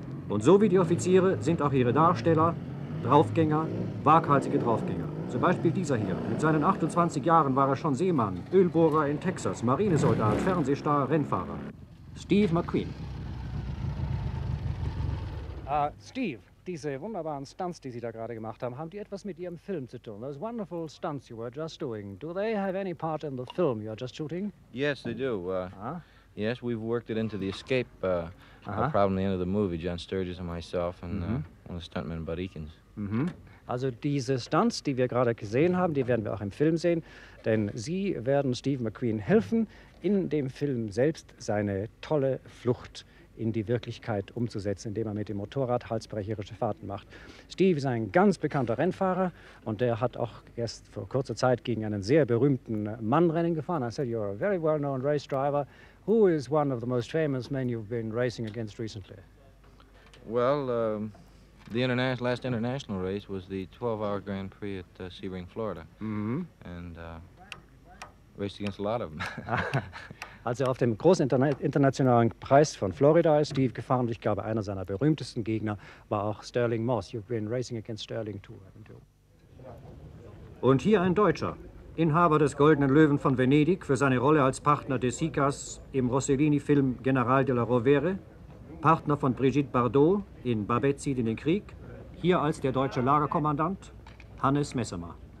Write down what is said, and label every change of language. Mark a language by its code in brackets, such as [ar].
[de] Und so wie die Offiziere sind auch ihre Darsteller Draufgänger, waghalsige Draufgänger. Zum Beispiel dieser hier. Mit seinen 28 Jahren war er schon Seemann, Ölbohrer in Texas, Marinesoldat, Fernsehstar, Rennfahrer. Steve McQueen. Steve, diese wunderbaren Stunts, die Sie da gerade gemacht haben, haben die etwas mit Ihrem Film zu tun? [en] Those wonderful stunts you were just doing. Do they have any part in the film you're just shooting? Yes, they do. Yes, we've worked it into the escape problem at the end of the movie, John Sturges and myself and one of the stuntmen, Bud Eakins. Mm-hmm. [de] Also diese Stunts, die wir gerade gesehen haben, die werden wir auch im Film sehen, denn Sie werden Steve McQueen helfen, in dem Film selbst seine tolle Flucht in die Wirklichkeit umzusetzen, indem er mit dem Motorrad halsbrecherische Fahrten macht. Steve ist ein ganz bekannter Rennfahrer und der hat auch erst vor kurzer Zeit gegen einen sehr berühmten Mann Rennen gefahren. [en] I said, you're a very well-known race driver. Who is one of the most famous men you've been racing against recently? Well, the last international race was the 12-hour Grand Prix at Sebring, Florida. Mm-hmm. And raced against a lot of them. [de] Also auf dem großen internationalen Preis von Florida ist Steve gefahren. Ich glaube, einer seiner berühmtesten Gegner war auch Sterling Moss. [en] You've been racing against Sterling too, haven't you? [de] Und hier ein Deutscher. Inhaber des Goldenen Löwen von Venedig für seine Rolle als Partner De Sicas im Rossellini-Film General della Rovere, Partner von Brigitte Bardot in Babette zieht in den Krieg, hier als der deutsche Lagerkommandant Hannes Messemer.